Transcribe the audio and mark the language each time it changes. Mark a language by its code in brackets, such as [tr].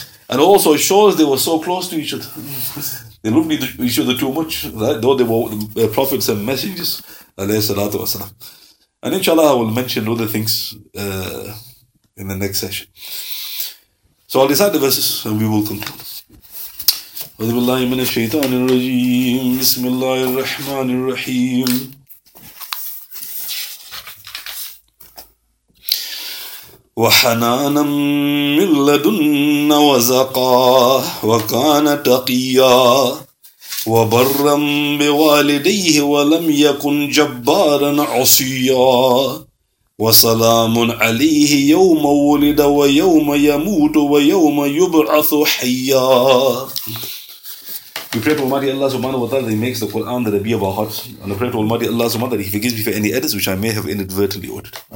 [en] And also, it shows they were so close to each other. They loved each other too much, right? Though they were prophets and messengers, alayhi salatu wasalam. And inshallah, I will mention other things in the next session. So I'll recite the verses and we will conclude. [ar] أعوذ بالله من الشيطان الرجيم بسم الله الرحمن الرحيم وحنانا من لدن وزقا وكان تقيا وبرا بوالديه ولم يكن جبارا عصيا وسلام عليه يوم ولد ويوم يموت ويوم يبعث حيا. [en] We pray to Almighty Allah subhanahu wa ta'ala that He makes the Quran the Rabi of our hearts. And I pray to Almighty Allah subhanahu wa ta'ala that He forgives me for any edits which I may have inadvertently ordered.